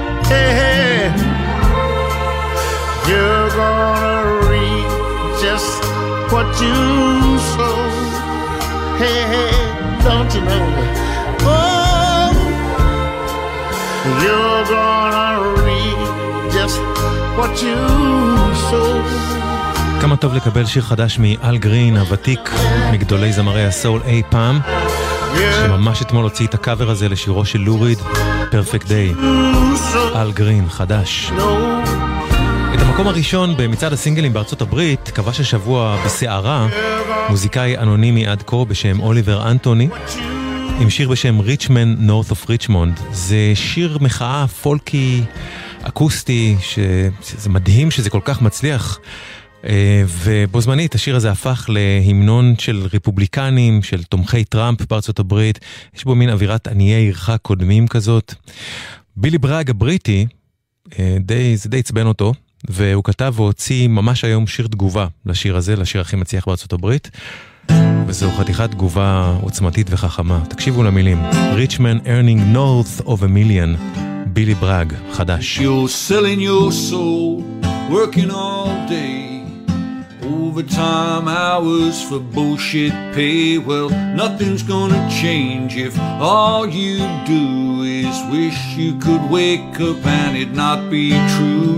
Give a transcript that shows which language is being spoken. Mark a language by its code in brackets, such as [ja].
[en] Hey, hey, you're gonna reap just what you sow. Hey, hey, don't you know? Oh, you're gonna reap just what you sow. [he] כמה טוב לקבל שיר חדש מאל גרין, הוותיק מגדולי זמרי הסול אי פעם, שממש אתמול הוציא את הקאבר הזה לשירו של לוריד, פרפקט דיי. אל גרין, חדש. את המקום הראשון במצעד הסינגלים בארצות הברית כבש השבוע בסערה מוזיקאי אנונימי עד כה בשם אוליבר אנטוני, עם שיר בשם ריצ'מן, נורת' אוף ריצ'מונד. זה שיר מחאה פולקי, אקוסטי, שזה מדהים שזה כל כך מצליח. ובו זמנית השיר הזה הפך להמנון של רפובליקנים, של תומכי טראמפ בארצות הברית. יש בו מין אווירת עניי עירך קודמים כזאת. בילי בראג הבריטי, זה די צבן אותו, והוא כתב והוציא ממש היום שיר תגובה לשיר הזה, לשיר הכי מצליח בארצות הברית, וזו חתיכת תגובה עוצמתית וחכמה. תקשיבו למילים. [en] Rich man earning north of a million. [he] בילי בראג, חדש. [en] You're selling your soul, working all day, overtime hours for bullshit pay. Well, nothing's gonna change if all you do is wish you could wake up and it not be true.